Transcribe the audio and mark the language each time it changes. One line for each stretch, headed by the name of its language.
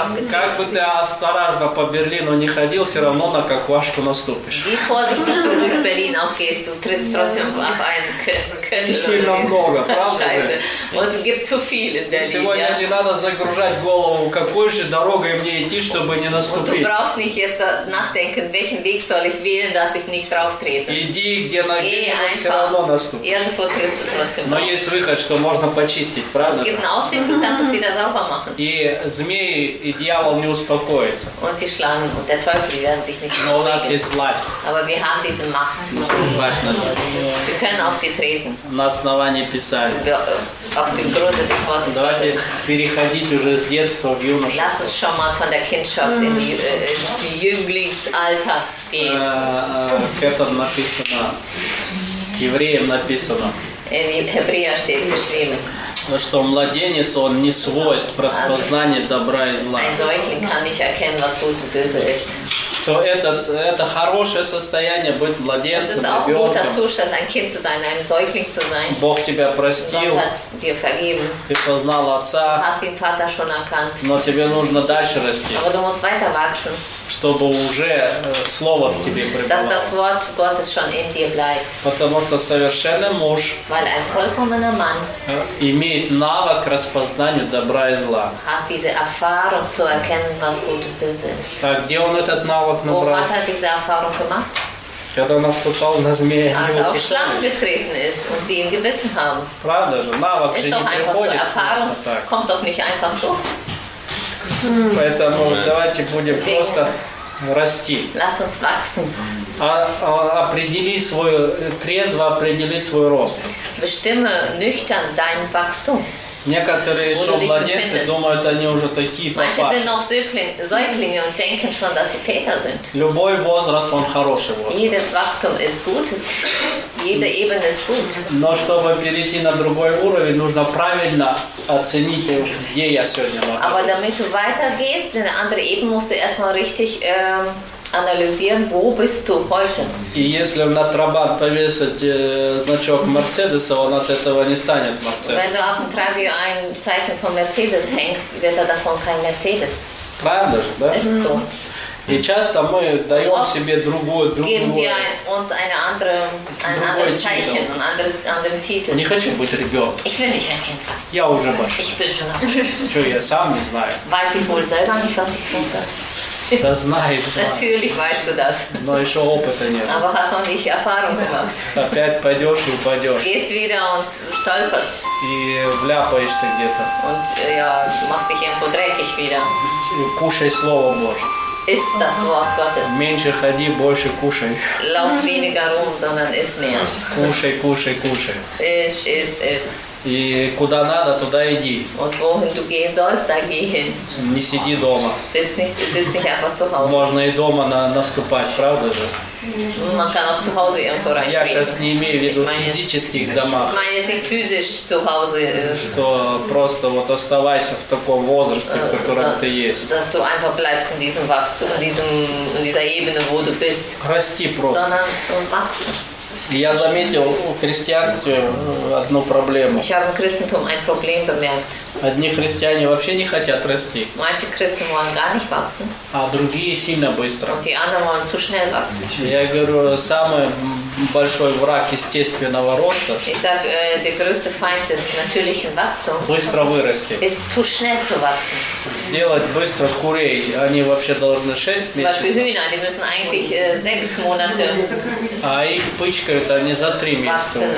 Russian: Как бы ты осторожно по Берлину не ходил, все равно на каквашку наступишь. Ты сильно много, правда? Сегодня не надо загружать голову, какой же дорогой мне идти, чтобы не наступить.
German: Du brauchst nicht jetzt nachdenken, welchen Weg soll ich wählen, dass ich nicht drauf trete.
Russian: Иди, где нагибаться, все равно наступишь.
German: Irgendwo trittst du trotzdem. Es gibt einen Ausweg, du kannst es wieder sauber machen.
Russian: И змеи, и дьявол не успокоятся.
German: Und die Schlangen und der Teufel werden sich nicht beruhigen.
Russian: Но у нас есть власть.
German: Aber wir haben diese Macht. Wir können auf sie treten.
Russian: На основании Писания.
German: Auf dem Grunde des Wortes.
Russian: Давайте переходить уже с детства в юношество.
German: Lass uns schon mal von der Kindschaft in die Die Jünglingsalter geht. Das
Russian: написано. Евреям написано.
German: In Hebräer steht geschrieben.
Russian: Ну что, младенец, он не свойств распознания добра и зла.
German: Ein Säugling kann nicht erkennen, was gut und böse ist.
Russian: Что это хорошее состояние быть младенцем, ребенком.
German: Es ist auch ein guter Zustand, ein Kind zu sein, ein Säugling zu sein.
Russian: Бог тебя простил.
German: Gott hat dir vergeben.
Russian: Ты познал отца.
German: Du hast den Vater schon erkannt.
Russian: Но тебе нужно дальше расти.
German: Aber du musst weiter wachsen.
Russian: Чтобы уже слово в тебе пребывало.
German: Dass das Wort Gottes schon in dir bleibt.
Russian: Потому что совершенный муж.
German: Weil ein vollkommener Mann.
Russian: Имеет навык распознания добра и зла.
German: Hat diese Erfahrung zu erkennen, was gut und böse ist.
Russian: А где он этот навык набрал?
German: Wo hat er diese Erfahrung gemacht?
Russian: Когда наступал на змея,
German: also
Russian: не
German: auf Schlangen getreten ist und sie ihn gebissen haben.
Russian: Правда же, навык
German: ist
Russian: же не приходит.
German: So Erfahrung kommt doch nicht einfach so.
Russian: Поэтому давайте будем просто расти.
German: Lass uns wachsen.
Russian: Определи свой, трезво определи свой рост.
German: Bestimme nüchtern dein Wachstum.
Russian: Некоторые еще младенцы думают, они уже такие папаши.
German: Manche sind noch Säuglinge und denken schon, dass sie Väter sind.
Russian: Любой возраст, он хороший возраст.
German: Jedes Wachstum ist gut. Jede Ebene ist gut.
Russian: Но чтобы перейти на другой уровень, нужно правильно оценить, где я сегодня нахожусь.
German: Aber damit du weitergehst, in eine andere Ebene musst du erstmal richtig analysieren, wo bist du heute?
Russian: И если на Трабант повесить значок Мерседеса, он от этого не станет Мерседес.
German: Wenn du auf dem Trabi ein Zeichen von Mercedes hängst, wird er davon kein Mercedes.
Russian: Правда же, да?
German: Ist so.
Russian: И часто мы даем себе другое.
German: Geben wir uns eine andere, ein anderes Zeichen, ein anderes, anderen Titel.
Russian: Не хочу быть ребенком.
German: Ich will nicht ein Kind sein.
Russian: Я уже большой.
German: Ich bin schon erwachsen.
Russian: Что, я сам не знаю.
German: Weiß ich wohl selber nicht, was ich denke. Das
Russian: знает.
German: Natürlich weißt du das.
Russian: Но еще опыта нет.
German: Aber hast noch nicht Erfahrung gemacht.
Russian: Опять пойдешь и упадешь.
German: Gehst wieder und stolperst.
Russian: И вляпаешься где-то.
German: Und ja, machst dich irgendwo dreckig wieder.
Russian: И кушай слово Божье.
German: Ist das Wort Gottes.
Russian: Меньше ходи, больше кушай.
German: Lauf weniger rum, sondern iss mehr.
Russian: Кушай, кушай, кушай.
German: Iss, iss, iss.
Russian: И куда надо, туда иди. Вот
German: wohin du gehen sollst, da geh hin.
Russian: Не сиди дома.
German: Sitz nicht einfach zu Hause.
Russian: Можно и дома наступать, правда же?
German: Man kann auch zu Hause irgendwo rein.
Russian: Я сейчас не имею в виду физических домах.
German: Ich meine nicht physisch zu Hause.
Russian: Что просто вот оставайся в таком возрасте, в котором ты есть.
German: Dass du einfach bleibst in diesem Wachstum, in dieser Ebene, wo du bist.
Russian: Расти просто.
German: Sondern wachsen.
Russian: Я заметил в христианстве одну проблему.
German: Ich habe im Christentum ein Problem bemerkt.
Russian: Одни христиане вообще не хотят расти.
German: Manche Christen wollen gar nicht wachsen.
Russian: А другие сильно быстро.
German: Und die anderen wollen zu schnell wachsen.
Russian: Я говорю, самый большой враг естественного роста.
German: Ich sage, der größte Feind des natürlichen Wachstums.
Russian: Быстро вырасти.
German: Ist zu schnell zu wachsen.
Russian: Делать быстро курей, они вообще должны 6 месяцев.
German: Was für Hühner, die müssen eigentlich 6 Monate.
Russian: А их пычкают, они за 3 месяца.